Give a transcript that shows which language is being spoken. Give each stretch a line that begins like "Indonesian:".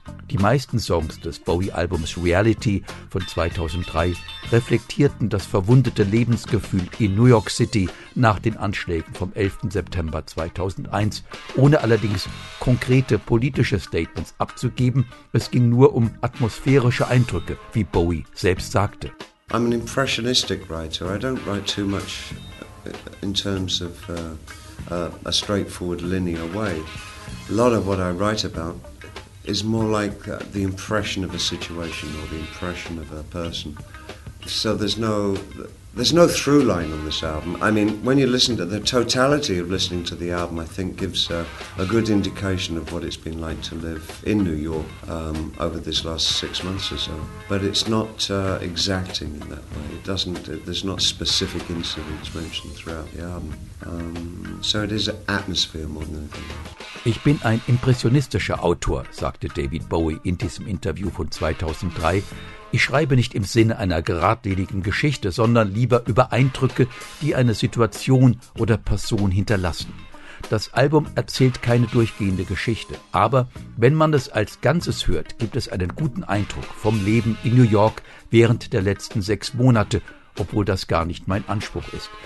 German: Die meisten Songs des Bowie-Albums Reality von 2003 reflektierten das verwundete Lebensgefühl in New York City nach den Anschlägen vom 11. September 2001, ohne allerdings konkrete politische Statements abzugeben. Es ging nur um atmosphärische Eindrücke, wie Bowie selbst sagte.
English: I'm an impressionistic writer. I don't write too much in terms of a straightforward linear way. A lot of what I write about is more like the impression of a situation or the impression of a person. So there's no through line on this album. I mean, when you listen to the totality of listening to the album, I think gives a good indication of what it's been like to live in New York over this last 6 months or so. But it's not exacting in that way. There's not specific incidents mentioned throughout the album. So it is an atmosphere more than anything else.
German: Ich bin ein impressionistischer Autor, sagte David Bowie in diesem Interview von 2003. Ich schreibe nicht im Sinne einer geradlinigen Geschichte, sondern lieber über Eindrücke, die eine Situation oder Person hinterlassen. Das Album erzählt keine durchgehende Geschichte, aber wenn man es als Ganzes hört, gibt es einen guten Eindruck vom Leben in New York während der letzten 6 Monate, obwohl das gar nicht mein Anspruch ist.